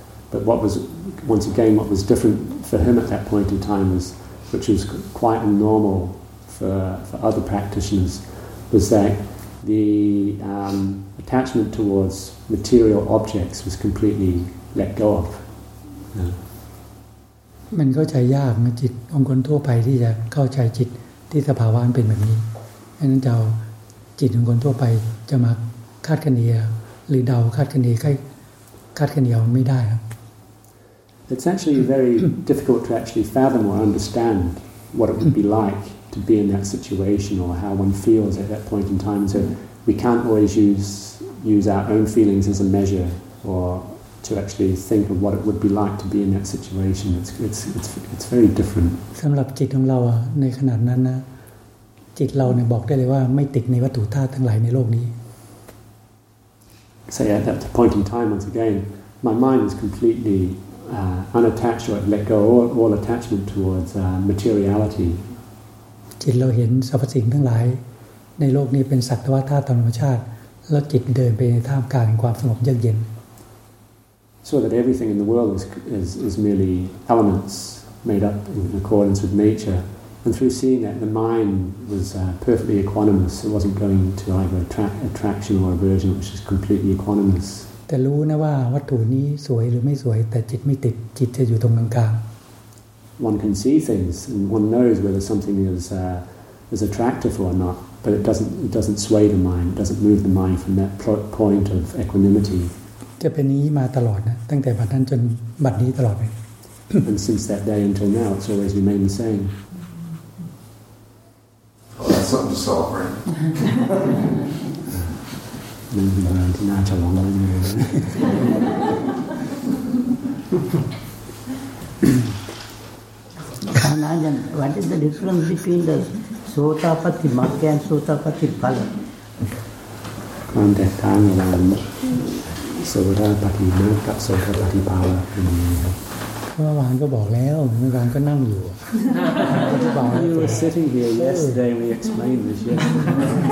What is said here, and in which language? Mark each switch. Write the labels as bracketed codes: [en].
[en] But what was, once again, what was different for him at that point in time, was, which was quite normal for other practitioners, was that the attachment towards material objects was completely let go of. [th] มันเข้าใจยากนะจิตของคนทั่วไปที่จะเข้าใจจิตที่สภาวะมันเป็นแบบนี้ฉะนั้นจะจิตของคนทั่วไปจะมาคาดคะเนหรือเดาคาดคะเนคาดคะเนไม่ได้ครับ [en] It's actually very difficult to actually fathom or understand what it would be like to be in that situation or how one feels at that point in time. So we can't always use our own feelings as a measure orto actually think of what it would be like to be in that situation. It's very different. [th] สำหรับจิตของเราในขนาดนั้นนะจิตเราเนี่ยบอกได้เลยว่าไม่ติดในวัตถุธาตุทั้งหลายในโลกนี้ [en] So yeah, at that point in time, once again, my mind is completely unattached or let go all attachment towards materiality. [th] จิตเราเห็นสรรพสิ่งทั้งหลายในโลกนี้เป็นสักแต่ว่าธาตุธรรมชาติแล้วจิตเดินไปในท่ามกลางความสงบเยือกเย็น [en] So that everything in the world is merely elements made up in accordance with nature, and through seeing that, the mind was perfectly equanimous. It wasn't going to either attraction or aversion, which is completely equanimous. [th] แต่รู้นะว่าวัตถุนี้สวยหรือไม่สวยแต่จิตไม่ติดจิตจะอยู่ตรงกลางกลาง [en] One can see things and one knows whether something is attractive or not, but it doesn't sway the mind. It doesn't move the mind from that point of equanimity. [th] จะเป็นนี้มาตลอดนะตั้งแต่บัดนั้นจนบัดนี้ตลอดไป [en] And since that day until now, it's always remained the same. Oh, that's something to solve, right? [th] มันเป็นงานที่น่าฉลองเลยนะ ข้างหน้ายัง [en] What is the difference between the Sotapatthimagga and Sotapatthipala? [th] ความแตกต่างระหว่างโสดาปัตติมรรคกับโสดาปัตติภาวะเป็นยังไงครับเมื่อวานก็บอกแล้วเมื่อวานก็นั่งอยู่ [en] You were sitting here yesterday we explained this yesterday